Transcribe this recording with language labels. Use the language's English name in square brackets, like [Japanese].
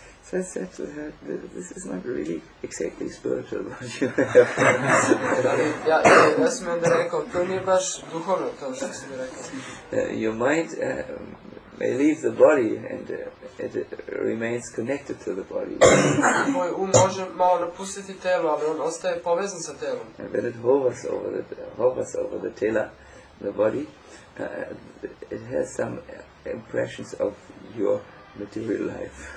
[English] So I said to her, this is not really exactly spiritual what you have. [Serbian] Ja sam onda rekao, to nije baš duhovno to što sam mi rekao. [English] Your mind may leave the body and it remains connected to the body. [Serbian] Moj um može malo napustiti telo, ali on ostaje povezan sa telom. [English] And when it hovers over the [Serbian] tela, [English] the body, it has some impressions of your material life.